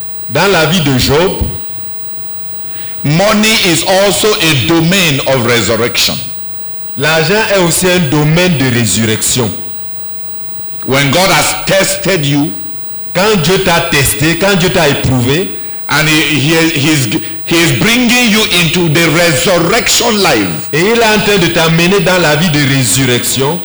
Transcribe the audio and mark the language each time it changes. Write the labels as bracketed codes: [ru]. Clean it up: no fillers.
[fr] dans la vie de Job, [en] money is also a domain of resurrection. [fr] L'argent est aussi un domaine de résurrection. [en] When God has tested you, [fr] quand Dieu t'a testé, quand Dieu t'a éprouvé, [en] and he is bringing you into the resurrection life. [fr] Et il est en train de t'amener dans la vie de résurrection.